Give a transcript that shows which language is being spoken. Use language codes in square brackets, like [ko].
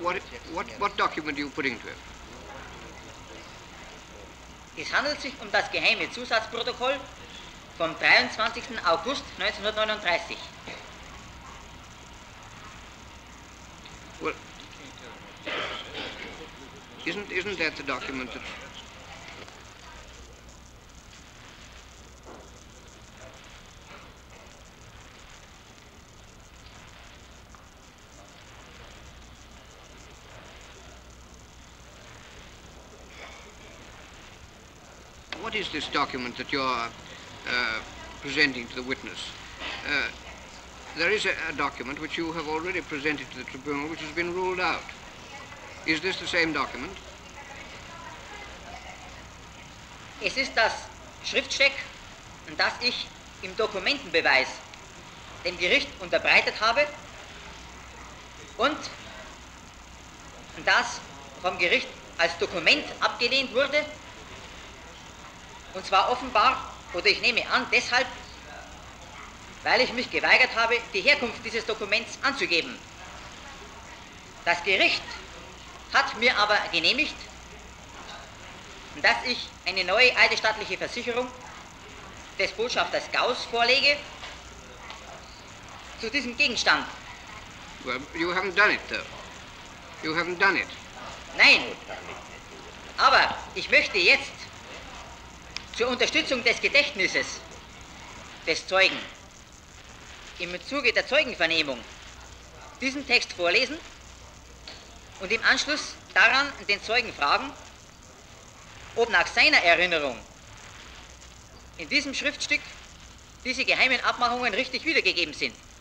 [en] What document are you putting to him? [de] Es handelt sich um das geheime Zusatzprotokoll vom 23. August 1939. [en] Well, isn't that the document that... What is this document that you're presenting to the witness? There is a document which you have already presented to the tribunal, which has been ruled out. Is this the same document? [de] Es ist das Schriftstück, das ich im Dokumentenbeweis dem Gericht unterbreitet habe und das vom Gericht als Dokument abgelehnt wurde. Und zwar offenbar, oder ich nehme an, deshalb, weil ich mich geweigert habe, die Herkunft dieses Dokuments anzugeben. Das Gericht hat mir aber genehmigt, dass ich eine neue eidesstattliche Versicherung des Botschafters Gauss vorlege zu diesem Gegenstand. [en] Well, you haven't done it, though. You haven't done it. [de] Nein, aber ich möchte jetzt zur Unterstützung des Gedächtnisses des Zeugen im Zuge der Zeugenvernehmung diesen Text vorlesen und im Anschluss daran den Zeugen fragen, ob nach seiner Erinnerung in diesem Schriftstück diese geheimen Abmachungen richtig wiedergegeben sind.